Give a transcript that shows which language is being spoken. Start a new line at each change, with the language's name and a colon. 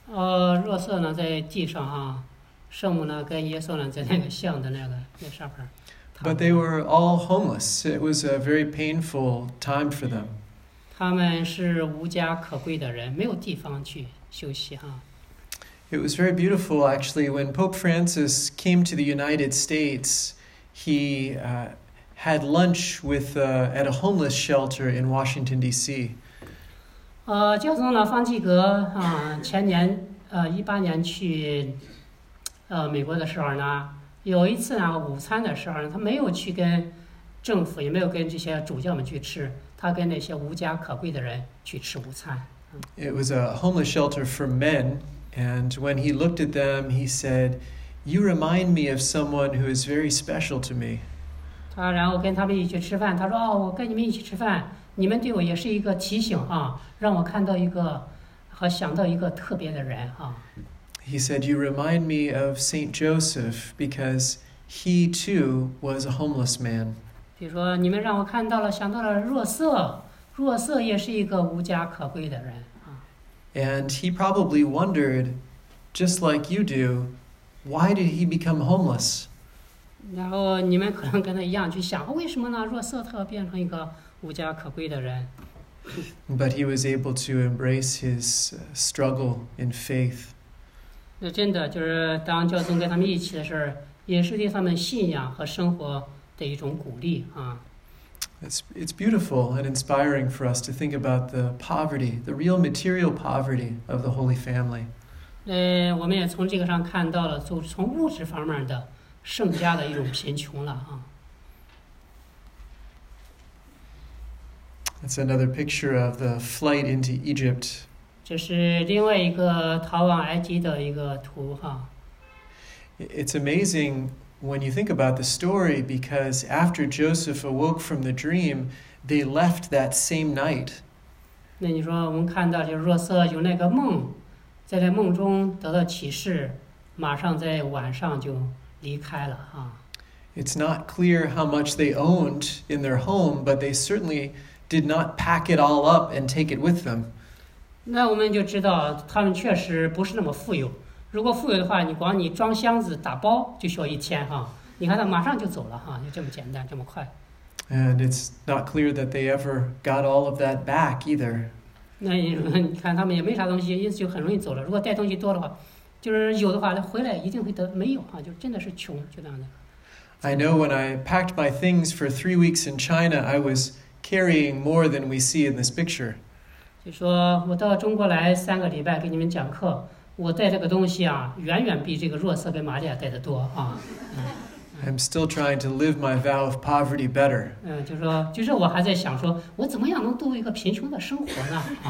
Chinese: 若瑟呢在地上哈。圣母呢跟耶稣呢在那个像的那个那上边。
English: But they were all homeless. It was a very painful time for them.
Chinese: 他们是无家可归的人，没有地方去休息哈。
English: It was very beautiful, actually, when Pope Francis came to the United States, he had lunch with at a homeless shelter in Washington, D.C.
Chinese: 教宗呢，方济各啊，前年2018年去美国的时候呢，有一次呢，午餐的时候呢，他没有去跟政府，也没有跟这些主教们去吃，他跟那些无家可归的人去吃午餐。
English: It was a homeless shelter for men. And when he looked at them, he said, "You remind me of someone who is very special to me."
Chinese: 他然后跟他们一起吃饭，他说：“哦，我跟你们一起吃饭，你们对我也是一个提醒啊，让我看到一个和想到一个特别的人啊。”
English: He said, "You remind me of Saint Joseph because he too was a homeless man."
Chinese: 比如说，你们让我看到了，想到了若瑟，若瑟也是一个无家可归的人。
English: And he probably wondered, just like you do, why did he become homeless?
Chinese: 然后你们可能跟他一样去想，为什么呢？若瑟特变成一个无家可归的人。
English: But he was able to embrace his struggle in faith.
Chinese: 那真的就是当教宗跟他们一起的时候，也是对他们信仰和生活的一种鼓励啊。
English: It's beautiful and inspiring for us to think about the poverty, the real material poverty of the Holy Family.
Chinese: 我们也从这个上看到了，就从物质方面的圣家的一种贫穷了啊。
English: That's another picture of the flight into Egypt.
Chinese: 这是另外一个逃往埃及的一个图哈。
English: It's amazing. When you think about the story, because after Joseph awoke from the dream, they left that same night.
Chinese: 那你说我们看到就是若瑟有那个梦，在那梦中得到启示，马上在晚上就离开了啊。
English: It's not clear how much they owned in their home, but they certainly did not pack it all up and take it with them.
Chinese: 那我们就知道他们确实不是那么富有。如果富有的话，你光你装箱子打包就需要一天哈。你看他马上就走了哈，就这么简单，这么快。
English: And it's not clear that they ever got all of that back either.
Chinese: 那你看他们也没啥东西，因此就很容易走了。如果带东西多的话，就是有的话，回来一定会得没有哈，就真的是穷就这样的。
English: I know when I packed my things for 3 weeks in China, I was carrying more than we see in this picture.
Chinese: 就说我到中国来3个礼拜给你们讲课。我带这个东西啊，远远比这个若瑟跟玛利亚带的多啊。
English: I'm still trying to live my vow of poverty better.
Chinese: 就是我还在想说，我怎么样能度一个贫穷的生活呢？